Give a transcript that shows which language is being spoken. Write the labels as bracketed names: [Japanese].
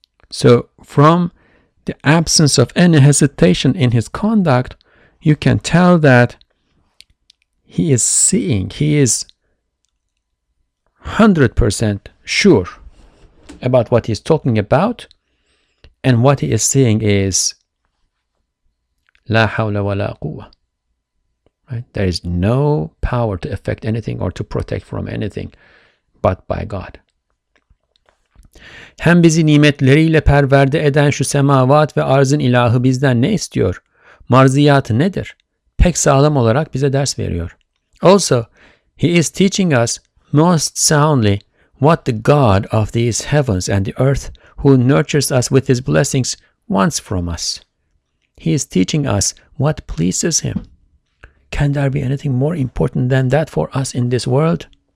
[English] So from the absence of any hesitation in his conduct, you can tell that he is seeing, he is 100% sure about what he's talking about, and what he is seeing is [Arabic] la hawla wa la quwwa, [English] right? There is no power to affect anything or to protect from anything but by God. [Turkish] Hem bizi nimetleriyle perverde eden şu semavat ve arzın ilahı bizden ne istiyor? Marziyatı nedir? Pek sağlam olarak bize ders veriyor. [English] Also, he is teaching us most soundly what the God of these heavens and the earth, who nurtures us with his blessings, wants from us. He is teaching us what pleases him. Can there be anything more important than that for us in this world?